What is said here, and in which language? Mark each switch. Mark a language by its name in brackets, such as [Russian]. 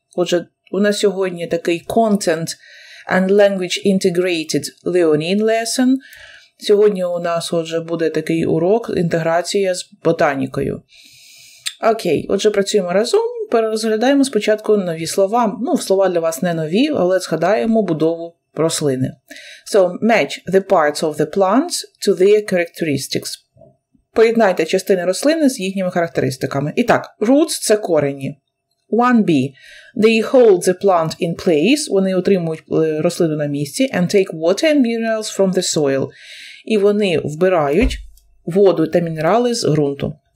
[Ukrainian] Отже, у нас сьогодні такий [English] content and language integrated learning lesson. [Ukrainian] Сьогодні у нас, отже, буде такий урок інтеграція з ботанікою. Окей, отже, працюємо разом, перерозглядаємо спочатку нові слова. Ну, слова для вас не нові, але згадаємо будову рослини. [English] So, match the parts of the plants to their characteristics. [Ukrainian] Поєднайте частини рослини з їхніми характеристиками. [English] І так, roots – [Ukrainian] це корені. [English] 1b – they hold the plant in place, [Ukrainian] вони утримують рослину на місці, [English] and take water and minerals from the soil. [Ukrainian] І вони вбирають воду та мінерали з ґрунту.